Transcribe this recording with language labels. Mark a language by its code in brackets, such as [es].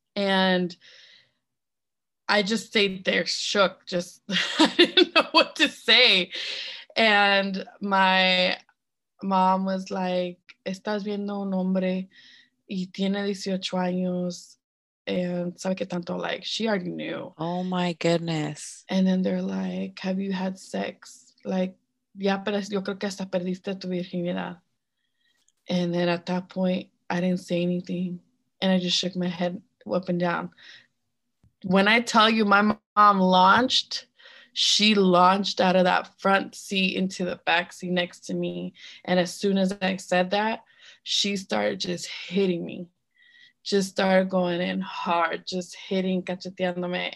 [en] And I just stayed there, shook, just I didn't know what to say. And my mom was like, [es] ¿estás viendo un hombre? Y tiene 18 años, and sabe que tanto, like, [en] she already knew. Oh, my goodness. And then they're like, have you had sex? [es] Like, ya, pero yo creo que hasta perdiste tu virginidad. [en] And then at that point, I didn't say anything, and I just shook my head up and down. When I tell you my mom launched, she launched out of that front seat into the back seat next to me, and as soon as I said that, she started just hitting me, just started going in hard, just hitting, cacheteándome.